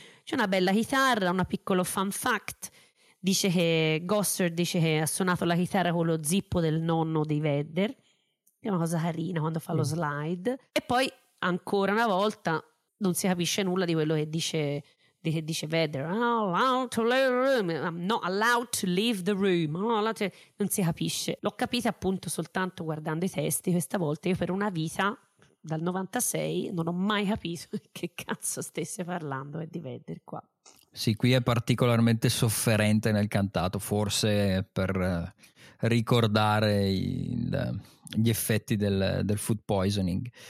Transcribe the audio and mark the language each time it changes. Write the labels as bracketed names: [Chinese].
[Italian] C'è una bella chitarra, una piccola fun fact, dice che Gosser dice che ha suonato la chitarra con lo zippo del nonno di Vedder, è una cosa carina quando fa lo slide. E poi ancora una volta non si capisce nulla di quello che dice dice [English] they're allowed to leave the room. I'm not allowed to leave the room. [Italian] Non si capisce. L'ho capita appunto soltanto guardando i testi questa volta. Io per una vita, dal 96, non ho mai capito che cazzo stesse parlando di Vedder qua. Sì, qui è particolarmente sofferente nel cantato, forse per ricordare gli effetti del food poisoning.